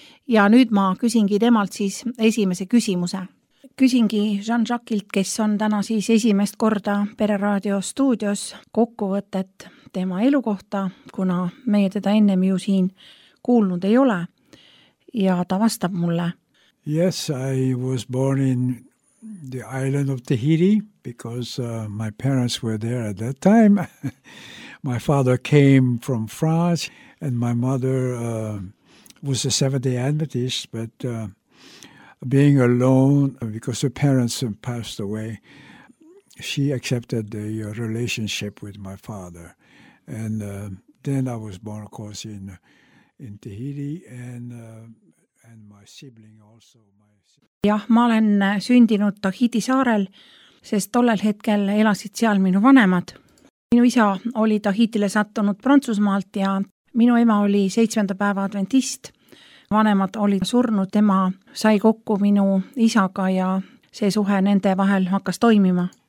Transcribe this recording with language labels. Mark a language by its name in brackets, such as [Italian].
[Estonian] Ja nüüd ma küsingi temalt siis esimese küsimuse. Küsingi Jean-Jacquilt, kes on täna siis esimest korda Pereraadio stuudios kokkuvõtet tema elukohta, kuna meie teda ennem ju siin kuulnud ei ole. Ja ta vastab mulle. [English] Yes, I was born in the island of Tahiti because my parents were there at that time. My father came from France and my mother was a Seventh-day Adventist, but being alone because her parents passed away, she accepted the relationship with my father. And then I was born, of course, in Tahiti and my sibling also. [Estonian] Jah, ma olen sündinud Tahiti saarel, sest tollel hetkel elasid seal minu vanemad. Minu isa oli Tahitile sattunud Prantsusmaalt ja minu ema oli 7. päeva adventist. Vanemad olid surnud, tema sai kokku minu isaga ja see suhe nende vahel hakkas toimima.